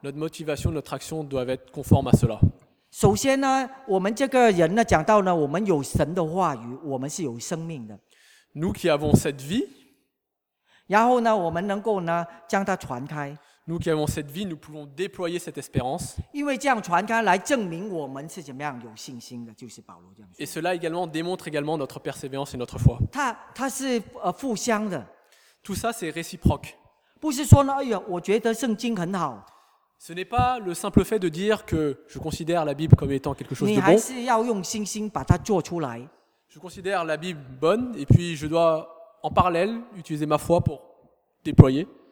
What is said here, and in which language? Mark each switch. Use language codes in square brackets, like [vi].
[fr] Notre motivation, notre action doivent être conformes à cela. [zh] 首先呢，我们这个人呢，讲到呢，我们有神的话语，我们是有生命的。 [fr] Nous qui avons cette vie. [zh] 然后呢，我们能够呢将它传开。 [fr] Nous qui avons cette vie, nous pouvons déployer cette espérance. [zh] 因为这样传开来证明我们是怎么样有信心的，就是保罗这样说。 [fr] Et cela également démontre également notre persévérance et notre foi. [zh] 它是互相的。 [fr] Tout ça c'est réciproque. [zh] 不是说呢，哎呀，我觉得圣经很好。 [fr] Ce n'est pas le simple fait de dire que je considère la Bible comme étant quelque chose de bon. [zh] 你还是要用信心把它做出来。 [fr] Je considère la Bible bonne et puis je dois en parallèle utiliser ma foi pour déployer.